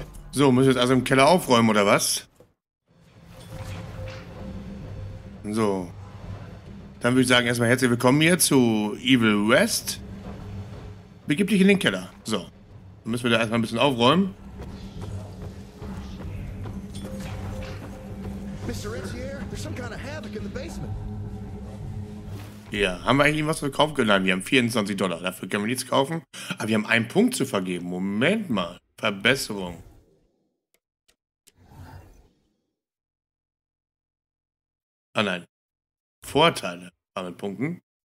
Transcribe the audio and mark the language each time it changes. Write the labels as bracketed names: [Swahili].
[German] So, müssen wir jetzt also im Keller aufräumen, oder was? So. Dann würde ich sagen, erstmal herzlich willkommen hier zu Evil West. Begib dich in den Keller. So. Dann müssen wir da erstmal ein bisschen aufräumen. [English] Mr. Renier, there's some kind of havoc in the basement. [German] Ja, haben wir eigentlich was zu verkaufen können? Nein, wir haben $24. Dafür können wir nichts kaufen. Aber wir haben einen Punkt zu vergeben. Moment mal. Verbesserung. Ah nein. Vorteile. Aber mit Punkten.